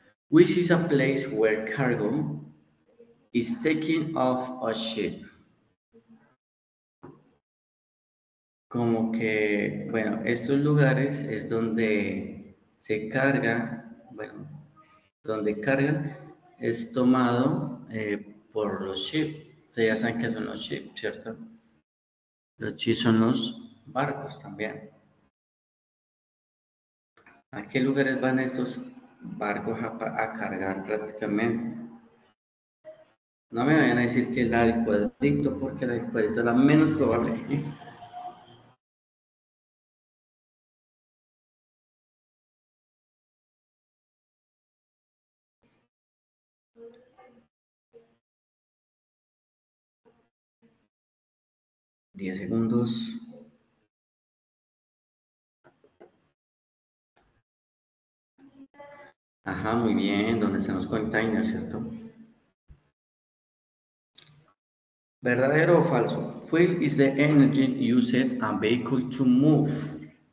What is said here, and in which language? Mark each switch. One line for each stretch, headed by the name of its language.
English: Which is a place where cargo is taking off a ship?
Spanish: Como que, bueno, estos lugares es donde se carga, bueno, donde cargan es tomado por los ships. Ustedes ya saben qué son los ships, ¿cierto? Los chips son los barcos también. ¿A qué lugares van estos barcos a cargar prácticamente? No me vayan a decir que el acueducto, porque el acueducto es la menos probable. Diez segundos. Ajá, muy bien, donde están los containers, ¿cierto? ¿Verdadero o falso?
English: Fuel is the energy used a vehicle to move.